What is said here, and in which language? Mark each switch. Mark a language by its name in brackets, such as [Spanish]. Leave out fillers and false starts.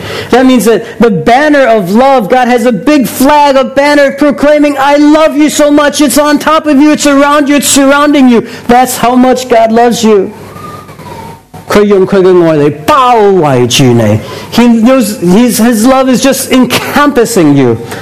[English] That means that the banner of love, God has a big flag, a banner proclaiming, I love you so much, it's on top of you, it's around you, it's surrounding you. That's how much God loves you. [Chinese] 他用他的爱来包围着你。 [English] He knows his love is just encompassing you.